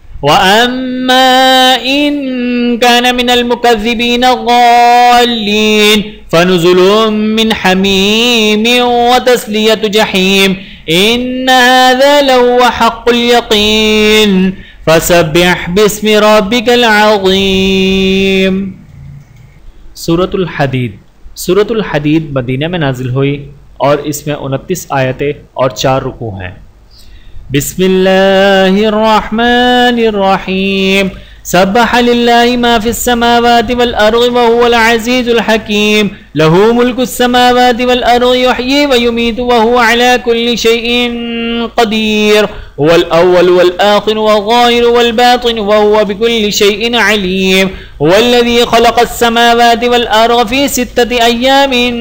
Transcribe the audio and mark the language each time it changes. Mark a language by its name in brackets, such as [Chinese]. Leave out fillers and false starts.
[Arabic] واما ان كان من المكذبين الضالين فنزل من حميم وتسلية جحيم ان هذا لهو حق اليقين فسبح باسم ربك العظيم. سورة الحديد. [Urdu] سورة الحديد مدینہ میں نازل ہوئی اور اس میں 29 آیتیں اور 4 رکوع ہیں. [Arabic] بسم اللہ الرحمن الرحیم سبح للہ ما فی السماوات والارض وهو العزیز الحکیم له ملک السماوات والارض یحیی ویمیت وهو على کل شیء قدیر هو الاول والآخر والظاہر والباطن وهو بكل شیء علیم هو الذي خلق السماوات والارض في ستة ايام